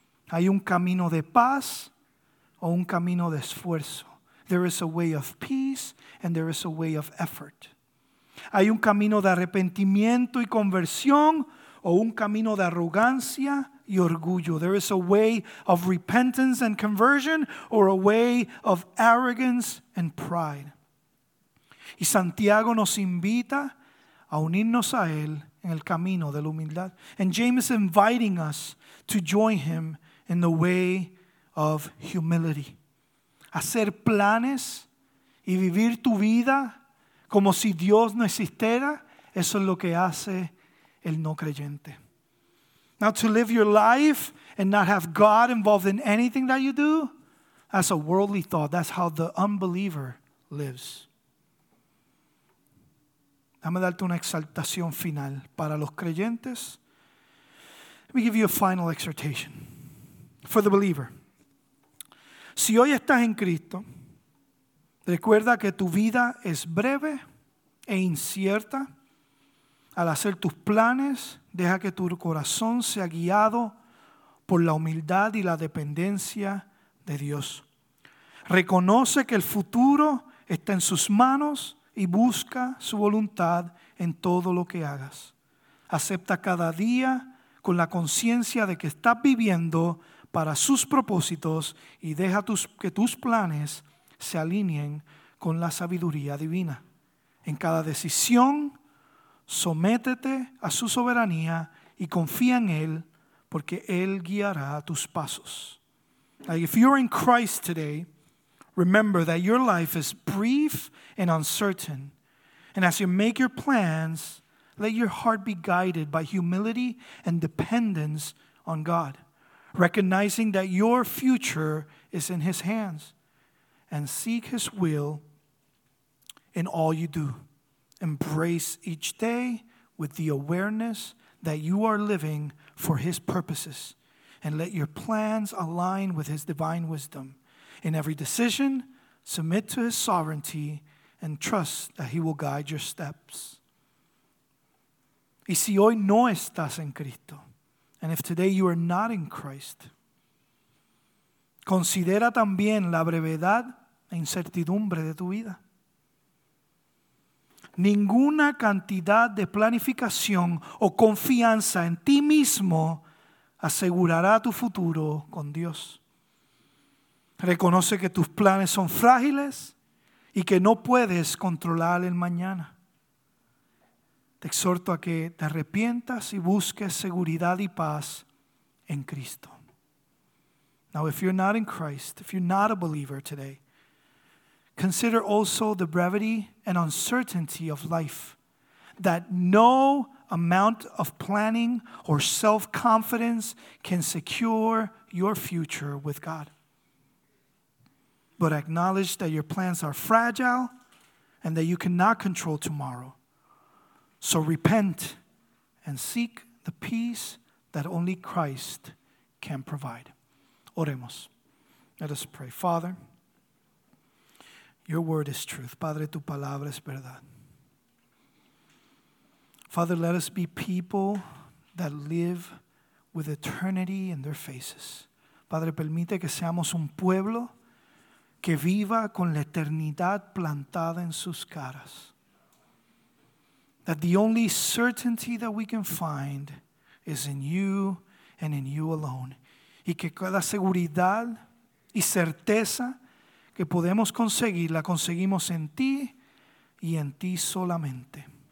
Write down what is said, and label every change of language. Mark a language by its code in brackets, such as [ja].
[es] Hay un camino de paz o un camino de esfuerzo. [en] There is a way of peace and there is a way of effort. [es] Hay un camino de arrepentimiento y conversión o un camino de arrogancia y orgullo. [en] There is a way of repentance and conversion or a way of arrogance and pride. [es] Y Santiago nos invita a unirnos a él en el camino de la humildad. [en] And James is inviting us to join him in the way of humility. [es] Hacer planes y vivir tu vida como si Dios no existiera, eso es lo que hace el no creyente. [en] Now to live your life and not have God involved in anything that you do, that's a worldly thought. That's how the unbeliever lives. [es] Déjame darte una exhortación final para los creyentes. [en] Let me give you a final exhortation for the believer. [es] Si hoy estás en Cristo, recuerda que tu vida es breve e incierta. Al hacer tus planes, deja que tu corazón sea guiado por la humildad y la dependencia de Dios. Reconoce que el futuro está en sus manos y busca su voluntad en todo lo que hagas. Acepta cada día con la conciencia de que estás viviendo para sus propósitos y deja que tus planes se alineen con la sabiduría divina. En cada decisión, sométete a su soberanía y confía en él, porque él guiará tus pasos. [en] Now, if you're in Christ today, remember that your life is brief and uncertain. And as you make your plans, let your heart be guided by humility and dependence on God, recognizing that your future is in his hands, and seek his will in all you do. Embrace each day with the awareness that you are living for his purposes, and let your plans align with his divine wisdom. In every decision, submit to his sovereignty and trust that he will guide your steps. [es] Y si hoy no estás en Cristo, [en] and if today you are not in Christ, [es] considera también la brevedad e incertidumbre de tu vida. Ninguna cantidad de planificación o confianza en ti mismo asegurará tu futuro con Dios. Reconoce que tus planes son frágiles y que no puedes controlar el mañana. Te exhorto a que te arrepientas y busques seguridad y paz en Cristo. [en] Now, if you're not in Christ, if you're not a believer today, consider also the brevity and uncertainty of life, that no amount of planning or self-confidence can secure your future with God. But acknowledge that your plans are fragile and that you cannot control tomorrow. So repent and seek the peace that only Christ can provide. [es] Oremos. [en] Let us pray. Father, your word is truth. [es] Padre, tu palabra es verdad. [en] Father, let us be people that live with eternity in their faces. [es] Padre, permite que seamos un pueblo que viva con la eternidad plantada en sus caras. [en] That the only certainty that we can find is in you and in you alone. [es] Y que cada seguridad y certeza que podemos conseguir, la conseguimos en ti y en ti solamente.